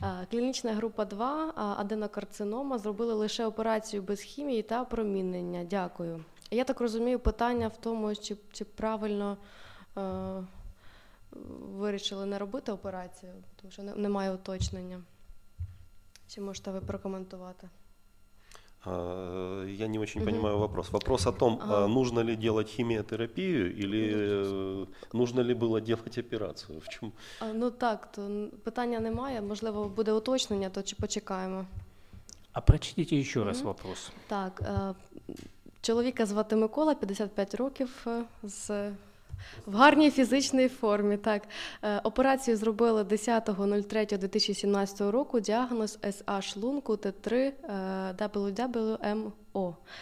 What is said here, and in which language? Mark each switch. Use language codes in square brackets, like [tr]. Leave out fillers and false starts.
[uk] Клінічна група 2, аденокарцинома, зробили лише операцію без хімії та опромінення. Дякую. Я так розумію, питання в тому, чи правильно вирішили не робити операцію, тому що немає уточнення. Чи можете ви прокоментувати? [ru] Я не очень понимаю вопрос. Вопрос о том, нужно ли делать химиотерапию или нужно ли было делать операцию? В чем? [uk] Ну так, то питання немає. Можливо, буде уточнення, то чи почекаємо. [ru] А прочитайте еще раз вопрос. [uk] Так, чоловіка звати Микола, 55 років, в гарній фізичній формі. Так. Операцію зробили 10.03.2017 року. Діагноз SH лунку Т3 WWMO.